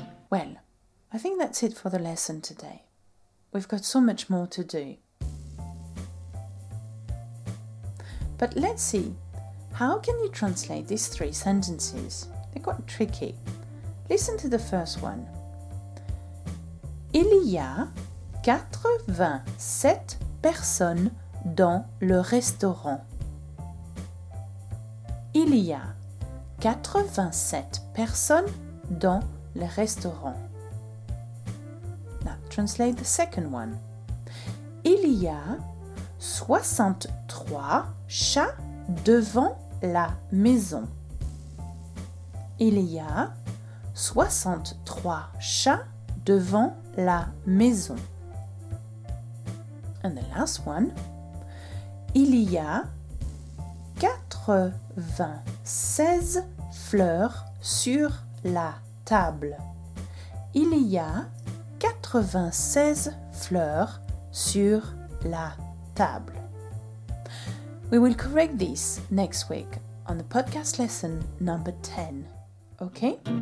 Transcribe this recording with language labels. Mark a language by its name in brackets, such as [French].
[English] Well, I think that's it for the lesson today. We've got so much more to do. But let's see, how can you translate these three sentences? They're quite tricky. Listen to the first one. [French] Il y a 87 personnes dans le restaurant. Il y a 87 personnes dans le restaurant. [English] Now, translate the second one. [French] Il y a 63 chats devant la maison. Il y a 63 chats devant la maison. [English] And the last one. [French] Il y a 96 fleurs sur la table. Il y a 96 fleurs sur la table. [English] We will correct this next week on the podcast lesson number 10. Okay?